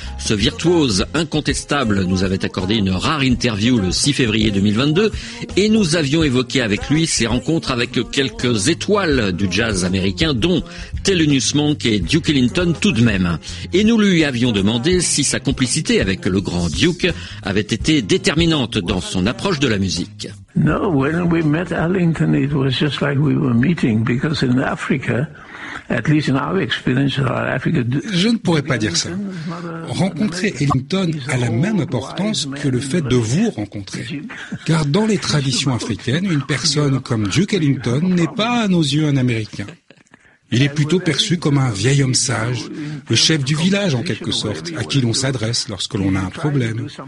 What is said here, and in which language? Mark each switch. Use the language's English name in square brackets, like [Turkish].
[French] Ce virtuose incontestable nous avait accordé une rare interview le 6 février 2022 et nous avions évoqué avec lui ses rencontres avec quelques étoiles du jazz américain dont Thelonious Monk et Duke Ellington tout de même. Et nous lui avions demandé si sa complicité avec le grand Duke avait été déterminante dans son approche de la musique. [English] No, when we met Ellington, it was just like we were meeting, because in Africa, at least in our experience, Africa. [French] Je ne pourrais pas dire ça. Rencontrer Ellington a la même importance que le fait de vous rencontrer. Car dans les traditions africaines, une personne comme Duke Ellington n'est pas à nos yeux un Américain. Il est plutôt perçu comme un vieil homme sage, le chef du village en quelque sorte, à qui l'on s'adresse lorsque l'on a un problème.